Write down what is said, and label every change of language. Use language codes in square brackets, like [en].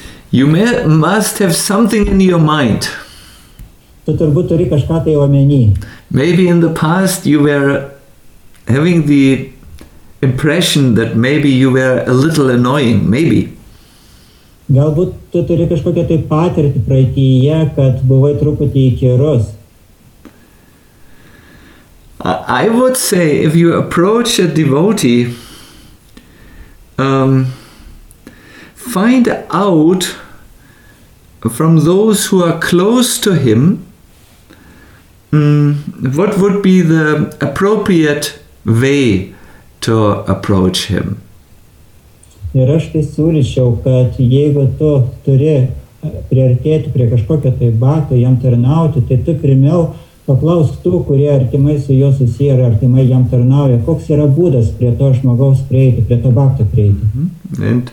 [en] You must have something in your mind. [lt] Tu turbūt turi kažką tai omeny. [en] Maybe in the past you were having the impression that maybe you were a little annoying, maybe. [lt] Galbūt tu turi kažkokią tai patirtį praeityje, kad buvai truputį įkyrus. [en] I would say if you approach a devotee, find out from those who are close to him what would be the appropriate way to approach him. [lt] Ir aš tai siūlyčiau, kad jeigu tu turi priartėti prie kažkokio tai bato, jam tarnauti, tai tu pirmiau paklausk tų, kurie artimai su juo susiję ir artimai jam tarnauja, koks yra būdas prie to žmogaus prieiti, prie to bato prieiti.